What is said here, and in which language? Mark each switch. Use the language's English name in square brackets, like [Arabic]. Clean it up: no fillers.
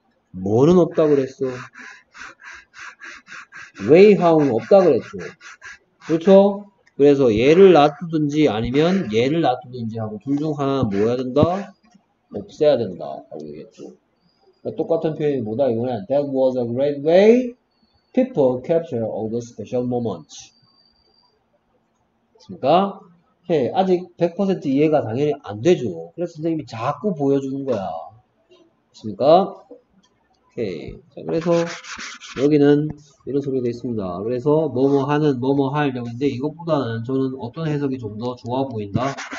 [Korean] 뭐는 없다 그랬어. Way, how는 없다 그랬죠. 그렇죠? 그래서 얘를 놔두든지 아니면 얘를 놔두든지 하고 둘중 하나는 뭐 해야 된다? 없애야 된다 하고 얘기했죠. 그러니까 똑같은 표현이 뭐다 이거냐? [English] That was a great way people capture all the special moments. [Korean] 그렇습니까? 예, 아직 100% 이해가 당연히 안 되죠. 그래서 선생님이 자꾸 보여주는 거야. 그렇습니까? 오케이. 자, 그래서 여기는 이런 소리가 있습니다. 그래서 뭐뭐 하는 뭐뭐 할 경우인데 이것보다는 저는 어떤 해석이 좀더 좋아 보인다.